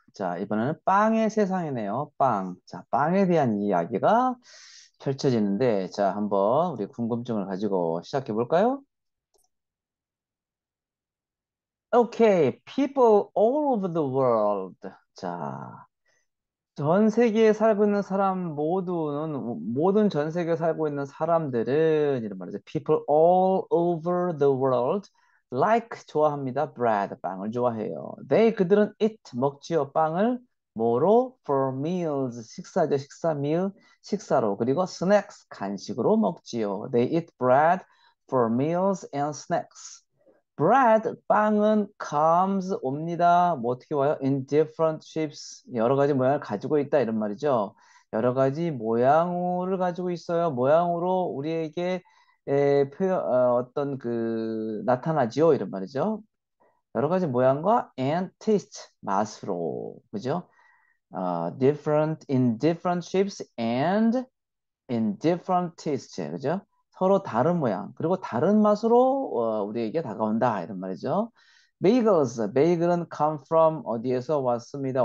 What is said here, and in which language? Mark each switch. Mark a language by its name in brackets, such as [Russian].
[Korean] 자, 이번에는 빵의 세상이네요. 빵. 자, 빵에 대한 이야기가 펼쳐지는데, 자, 한번 우리 궁금증을 가지고 시작해 볼까요? [English] Okay, people all over the world. [Korean] 자, 전 세계에 살고 있는 사람 모든 전 세계에 살고 있는 사람들은 이런 말이죠. [English] People all over the world. [Korean] Like 좋아합니다. Bread 빵을 좋아해요. They 그들은 eat 먹지요 빵을 뭐로 [English] for meals [Korean] 식사죠 식사 meal 식사로 그리고 snacks 간식으로 먹지요. [English] They eat bread for meals and snacks. [Korean] Bread 빵은 comes 옵니다. 뭐 어떻게 와요? [English] In different shapes [Korean] 여러 가지 모양을 가지고 있다 이런 말이죠. 여러 가지 모양을 가지고 있어요. 모양으로 우리에게 에 표현 어떤 그 나타나지요 이런 말이죠. 여러 가지 모양과 [English] and taste [Korean] 맛으로 그죠? [English] different in different shapes and in different taste [Korean] 그죠? 서로 다른 모양 그리고 다른 맛으로 우리에게 다가온다 이런 말이죠. Bagels, 베이글은 [English] come from [Korean] 어디에서 왔습니다.